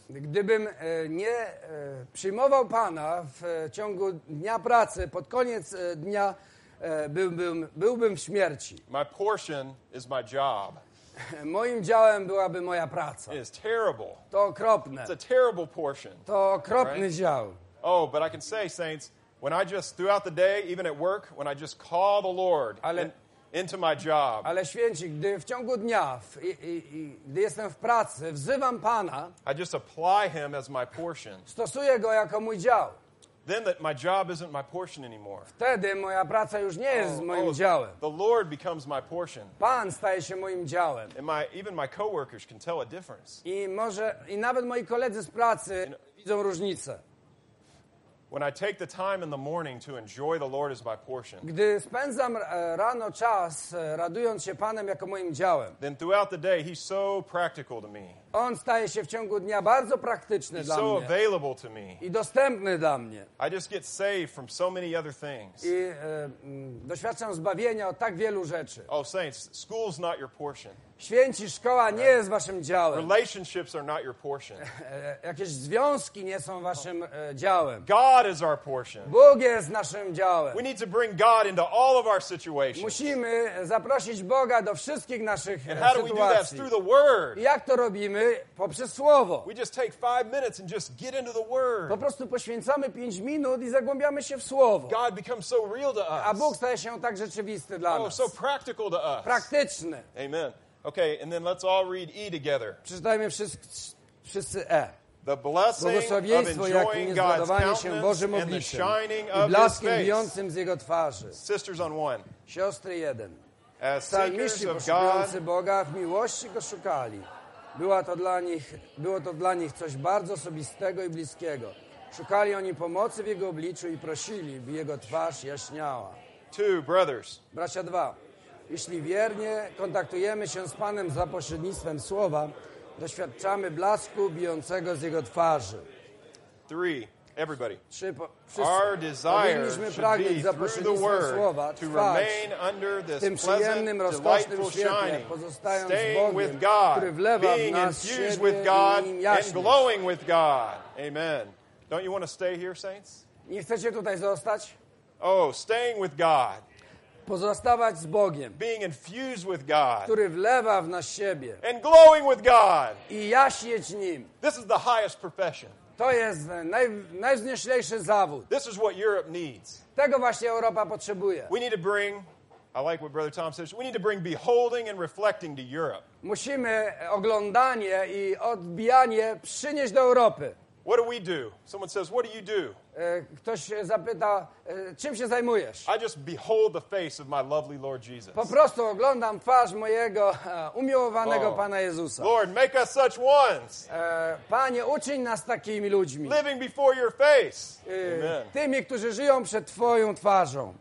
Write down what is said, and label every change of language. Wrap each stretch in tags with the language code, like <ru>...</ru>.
<pl>Gdybym nie przyjmował Pana w ciągu dnia pracy, pod koniec dnia byłbym w śmierci.</pl> <en>My portion is my job.</en> <pl>Moim działem byłaby moja praca.</pl> <en>It is terrible.</en> <pl>To okropne.</pl> <en>It's a terrible portion.</en> <pl>To okropny</pl> <en>right?</en> <pl>dział.</pl> <en>Oh, but I can say, saints, when I just, throughout the day, even at work, when I just call the Lord into my job.</en> <pl>Ale święci, gdy w ciągu dnia, gdy jestem w pracy, wzywam Pana.</pl> <en>I just apply Him as my portion.</en> <pl>Stosuję Go jako mój dział.</pl> <en>Then that my job isn't my portion anymore.</en> <pl>Wtedy moja praca już nie jest moim działem.</pl> <en>The Lord becomes my portion.</en> <pl>Pan staje się moim działem.</pl> <en>And even my coworkers can tell a difference.</en> <pl>I nawet moi koledzy z pracy widzą różnicę.</pl> <en>When I take the time in the morning to enjoy the Lord as my portion.</en> <pl>Gdy spędzam rano czas radując się Panem jako moim działem.</pl> <en>Then throughout the day He's so practical to me.</en> <pl>On staje się w ciągu dnia bardzo praktyczny</pl> <en>He's</en> <pl>dla</pl> <en>so</en> <pl>mnie.</pl> <en>So available to me.</en> <pl>I dostępny dla mnie.</pl> <en>I just get saved from so many other things.</en> <pl>I doświadczam zbawienia od tak wielu rzeczy.</pl> <en>Oh saints, school's not your portion.</en> <pl>Święci, szkoła nie jest waszym działem.</pl> <en>Relationships are not your portion.</en> <pl>Jakieś związki nie są waszym działem.</pl> <en>God is our portion.</en> <pl>Bóg jest naszym działem.</pl> <en>We need to bring God into all of our situations.</en> <pl>Musimy zaprosić Boga do wszystkich naszych</pl> <en>and how do we</en> <pl>sytuacji.</pl> <en>Do that? Through the word.</en> <pl>Jak to robimy? Poprzez słowo.</pl> <en>We just take 5 minutes and just get into the word.</en> <pl>Po prostu poświęcamy 5 minut i zagłębiamy się w słowo.</pl> <en>God becomes so real to us.</en> <pl>A Bóg staje się tak rzeczywisty dla nas.</pl> <en>Oh, so practical to us.</en> <pl>Praktyczny.</pl> <en>Amen. Okay, and then let's all read E together.</en> <pl>Przeczytajmy wszyscy E.</pl> <en>The blessing of enjoying God's countenance and the shining of His face.</en> <pl>Z Jego twarzy.</pl> <en>Sisters on one.</en> <pl>Siostry jeden.</pl> <en>As seekers of God,</en> <pl>Boga w miłości go szukali. Było to dla nich coś bardzo osobistego i bliskiego. Szukali oni pomocy w jego obliczu i prosili, by jego twarz jaśniała.</pl> <en>Two brothers.</en> <pl>Bracia dwa. Jeśli wiernie kontaktujemy się z Panem za pośrednictwem słowa, doświadczamy blasku bijącego z jego twarzy.</pl> <en>Three. Everybody.</en> <pl>Trzy,</pl> <en>our desire should be through the word</en> <pl>słowa,</pl> <en>to remain under this pleasant, delightful shining, staying with God, being infused with God, and glowing with God. Amen. Don't you want to stay here, saints?</en> <pl>Nie chcecie tutaj zostać?</pl> <en>Oh, staying with God.</en> <pl>Pozostawać z Bogiem.</pl> <en>Being infused with God.</en> <pl>Który wlewa w nas siebie.</pl> <en>And glowing with God.</en> <pl>I jaśnieć Nim.</pl> <en>This is the highest profession.</en> <pl>To jest najwznieślejszy zawód.</pl> <en>This is what Europe needs.</en> <pl>Tego właśnie Europa potrzebuje.</pl> <en>We need to bring, I like what Brother Tom says, we need to bring beholding and reflecting to Europe.</en> <pl>Musimy oglądanie i odbijanie przynieść do Europy.</pl> <en>What do we do? Someone says, what do you do?</en> <pl>Ktoś zapyta, czym się zajmujesz?</pl> <en>I just behold the face of my lovely Lord Jesus.</en> <pl>Po prostu oglądam twarz mojego umiłowanego Pana Jezusa.</pl> <en>Lord, make us such ones.</en> <pl>Panie, uczyń nas takimi ludźmi.</pl> <en>Living before your face. Amen.</en> <pl>Tymi, którzy żyją przed Twoją twarzą.</pl>